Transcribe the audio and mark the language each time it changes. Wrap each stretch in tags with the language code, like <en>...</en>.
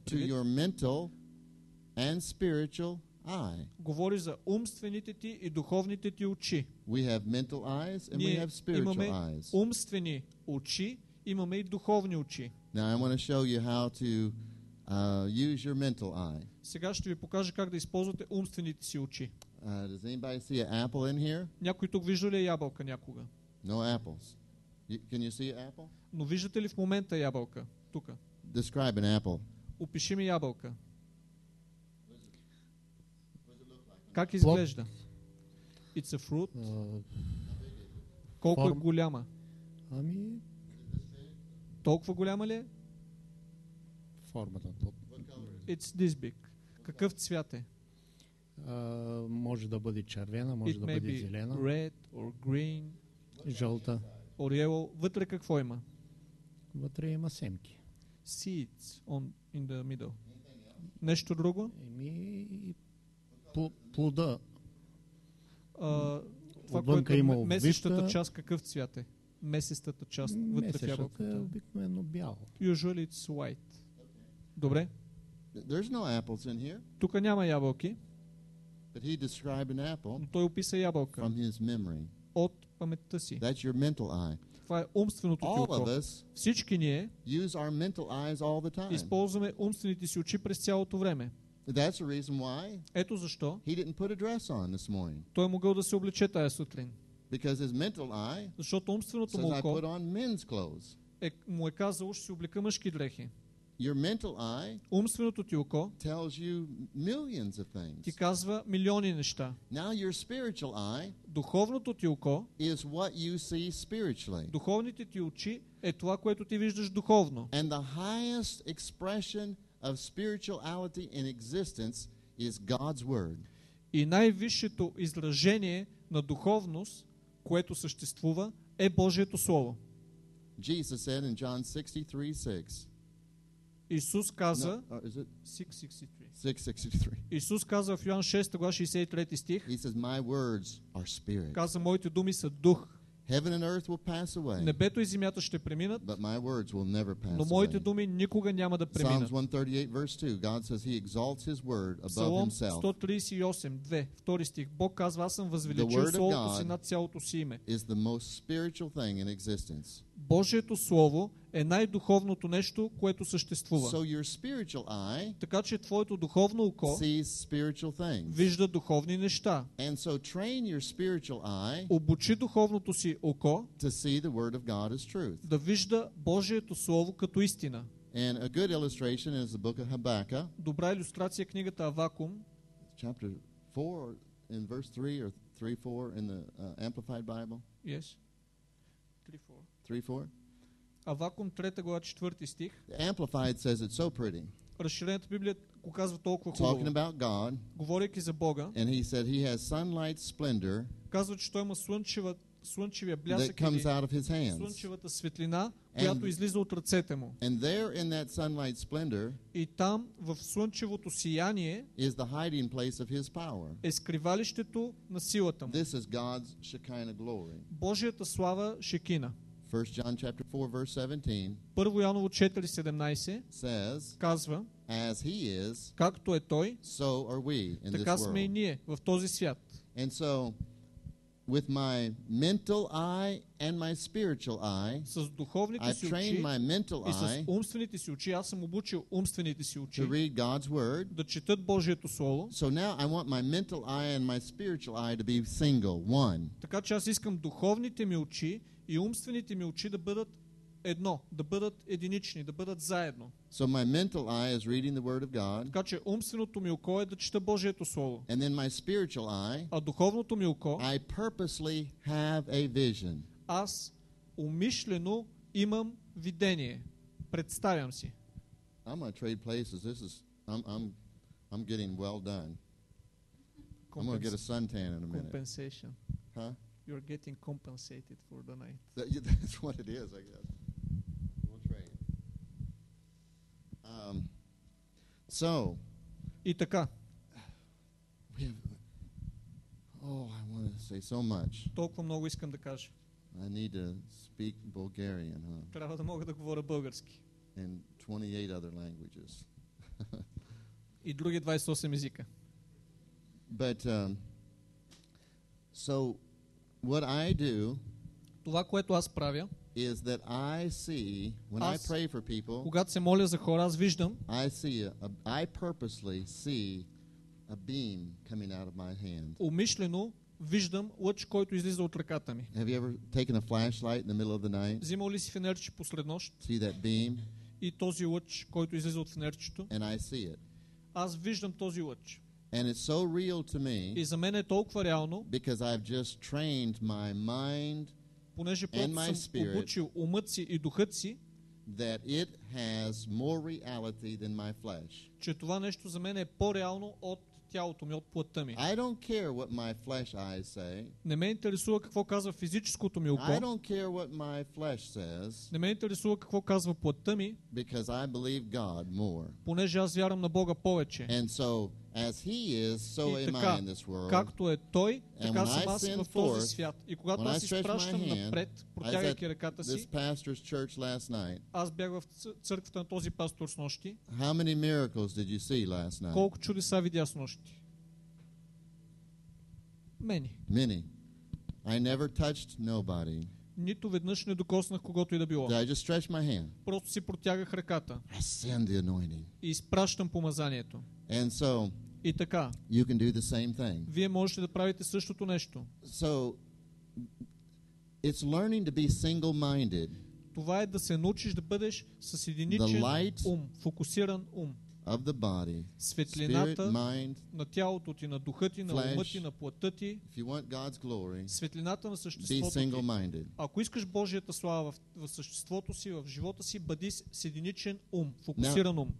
<bg>предвид,</bg> <en>to your mental and spiritual eye.</en> <bg>Говори за умствените ти и духовните ти очи.</bg> <en>We have mental eyes and we have spiritual</en> <bg>имаме</bg> <en>eyes.</en> <bg>Умствени очи, имаме и духовни очи.</bg> <en>Now I want to show you how to use your mental eye.</en> <bg>Сега ще ви покажа как да използвате умствените си очи.</bg> <en>Does anybody see an apple in here?</en> <bg>Някой тук вижда ли ябълка някога?</bg> <en>No apples. Can you see an apple?</en> <bg>Но виждате ли в момента ябълка тук?</bg> <en>Describe an apple.</en> <bg>Опиши ми ябълка.</bg> <en>What does it look</en> <bg>Как изглежда?</bg> <en>It's a fruit.</en> <bg>Колко е голяма? Ами... Толкова голяма ли е? Формата.</bg> <en>Top. It's this big.</en> <bg>Какъв цвят е? Може да бъде червена, може</bg> <en>it</en> <bg>да бъде зелена.</bg> <en>Red or green.</en> <bg>Жълта.</bg> <en>Or yellow.</en> <bg>Вътре какво има? Вътре има семки.</bg> <en>Seeds on, in the middle.</en> <bg>Нещо друго? Еми, плода. Отвънка има обвивка. Месистата част какъв цвят е? Месистата част вътре в ябълката. Месистата е обикновено бяло.</bg> <en>Usually it's white.</en> <bg>Добре.</bg> <en>There's no apples in here.</en> <bg>Тука няма ябълки.</bg> <en>But he described an apple.</en> <bg>Той описа ябълка.</bg> <en>From his memory.</en> <bg>От паметта си.</bg> <en>That's your mental eye.</en> <bg>Това е умственото ти око. Всички ние</bg> <en>use our mental eyes all the time.</en> <bg>Използваме умствените си очи през цялото време.</bg> <en>That's the reason why.</en> <bg>Ето защо.</bg> <en>He didn't put a dress on this morning.</en> <bg>Той е могъл да се облече тая сутрин.</bg> <en>Because his mental eye.</en> <bg>Защото умственото му око.</bg> <en>Says I put on men's clothes.</en> <bg>Му е казал, ще си облека мъжки дрехи.</bg> <en>Your mental eye,</en> <bg>умственото ти око,</bg> <en>tells you millions of things.</en> <bg>Ти казва милиони неща.</bg> <en>Now your spiritual eye,</en> <bg>духовното ти око,</bg> <en>is what you see spiritually.</en> <bg>Духовните ти очи е това, което ти виждаш духовно.</bg> <en>And the highest expression of spirituality in existence is God's word.</en> <bg>И най-висшето изражение на духовност, което съществува, е Божието слово.</bg> <en>Jesus said in John 63:6.</en> <bg>Исус каза,</bg> <en>no,</en> <bg>Исус каза в Йоан 6, 63 стих,</bg> <en>he says, my words are spirit.</en> <bg>Каза, моите думи са дух.</bg> <en>Heaven and earth will pass away.</en> <bg>Небето и земята ще преминат,</bg> <en>but my words will never pass</en> <bg>но моите</bg> <en>away.</en> <bg>Думи никога няма да преминат.</bg> <en>Psalms 138, verse 2, God says he exalts his word above himself.</en> <bg>138, 2, 2 стих, Бог казва, аз съм възвеличил Словото си над цялото си име.</bg> <en>Is the most spiritual thing in existence.</en> <bg>Божието Слово е най-духовното нещо, което съществува.</bg> <en>So your spiritual eye,</en> <bg>така че твоето духовно око</bg> <en>sees spiritual things.</en> <bg>Вижда духовни неща.</bg> <en>And so train your spiritual eye,</en> <bg>обучи духовното си око</bg> <en>to see the word of God as truth.</en> <bg>Да вижда Божието Слово като истина.</bg> <en>And a good illustration is the book of Habakkuk.</en> <bg>Добра илюстрация е книгата Авакум.</bg> <en>Chapter 4 in verse 3 or 3-4 in the Amplified Bible. Yes. 3-4.</en> <bg>Авакум 3 глава 4 стих.</bg> <en>Amplified says it so pretty.</en> <bg>Разширената Библия го казва толкова хубаво.</bg> <en>Talking about God.</en> <bg>Говорейки за Бога.</bg> <en>And he said he has sunlight splendor.</en> <bg>Казва, че той има слънчевия блясък.</bg> <en>That comes out of his hands.</en> <bg>Слънчевата светлина, която излиза от ръцете му.</bg> <en>And there in that sunlight splendor.</en> <bg>И там в слънчевото сияние.</bg> <en>Is the hiding place of his power.</en> <bg>Е скривалището на силата му.</bg> <en>This is God's Shekinah glory.</en> <bg>Божията слава Шекина.</bg> <en>1 John chapter 4 verse 17.</en> <bg>Първо Йоаново 4:17 казва,</bg> <en>as he is,</en> <bg>както е той,</bg> <en>so are we in</en> <bg>така</bg> <en>this</en> <bg>сме</bg> <en>world.</en> <bg>И ние в този свят.</bg> <en>And so with my mental eye and my spiritual eye,</en> <bg>с духовните си очи</bg> <en>my mental eye,</en> <bg>и с умствените си очи, аз съм обучил умствените си очи</bg> <en>to read God's word,</en> <bg>да четат Божието слово.</bg> <en>So now I want my mental eye and my spiritual eye to be single, one.</en> <bg>Така че аз искам духовните ми очи и умствените ми очи да бъдат едно, да бъдат единични, да бъдат заедно.</bg> <en>So my mental eye is reading the word of God.</en> <bg>Така че умственото ми око е да чета Божието слово.</bg> <en>And then my spiritual eye,</en> <bg>а духовното ми око,</bg> <en>I purposely have a vision.</en> <bg>Аз умишлено имам видение. Представям си.</bg> <en>I'm gonna trade places. This is I'm getting well done. I'm gonna get a suntan in a minute. Compensation. Huh? You're getting compensated for the night. That's what it is, I guess. We'll train.</en> <bg>И така.</bg> <en>We have, oh, I want to say so much.</en> <bg>Толкова много искам да кажа.</bg> <en>I need to speak Bulgarian, huh?</en> <bg>Трябва да мога да говоря български.</bg> <en>And 28 other languages.</en> <bg>И други 28 езика.</bg> <en>But, so... What I do,</en> <bg>това, което аз правя,</bg> <en>is that I see when I pray for people.</en> <bg>Когато се моля за хора, аз виждам.</bg> <en>I see I purposely see a beam coming out of my hand.</en> <bg>Умишлено виждам лъч, който излиза от ръката ми.</bg> <en>Have you ever taken a flashlight in the middle of the night?</en> <bg>Взимал ли си фенерче посред нощ?</bg> <en>See that beam?</en> <bg>И този лъч, който излиза от фенерчето?</bg> <en>And I see it.</en> <bg>Аз виждам този лъч.</bg> <en>And it's so real to me.</en> <bg>И за мен е толкова реално.</bg> <en>Because I've just trained my mind and my spirit.</en> <bg>Понеже съм обучил умът си и духът си.</bg> <en>That it has more reality than my flesh.</en> <bg>Че това нещо за мен е по-реално от тялото ми, от плътта ми.</bg> <en>I don't care what my flesh eyes say.</en> <bg>Не ме интересува какво казва физическото ми око.</bg> <en>I don't care what my flesh says.</en> <bg>Не ме интересува какво казва плътта ми.</bg> <en>Because I believe God more.</en> <bg>Понеже аз вярвам на Бога повече.</bg> <en>And so as he is, so</en> <bg>и</bg> <en>am</en> <bg>така,</bg> <en>I in this world.</en> <bg>Както е той, така съм аз в този свят. И когато аз изпращам напред, протягайки ръката си,</bg> <en>pastor's church last night.</en> <bg>Аз бях в църквата на този пастор с нощи.</bg> <en>How many miracles did you see last night?</en> <bg>Колко чудеса видя с нощи?</bg> <en>Many. Many. I never touched nobody.</en> <bg>Нито веднъж не докоснах когото и да било.</bg> <en>I just stretched my hand.</en> <bg>Просто си протягах ръката.</bg> <en>I send the anointing.</en> <bg>И изпращам помазанието.</bg> <en>And so,</en> <bg>и така,</bg> <en>you can do the same thing.</en> <bg>Вие можете да правите същото нещо.</bg> <en>So, it's learning to be single-minded.</en> <bg>Това е да се научиш да бъдеш с единичен ум, фокусиран ум.</bg> <en>Of the body,</en> <bg>светлината</bg> <en>spirit, mind,</en> <bg>на тялото ти, на духа ти, на ума ти, на плътта ти,</bg> <en>if you want God's glory,</en> <bg>светлината на съществото ти. Ако искаш Божията слава в съществото си, в живота си, бъди с единичен ум, фокусиран ум.</bg>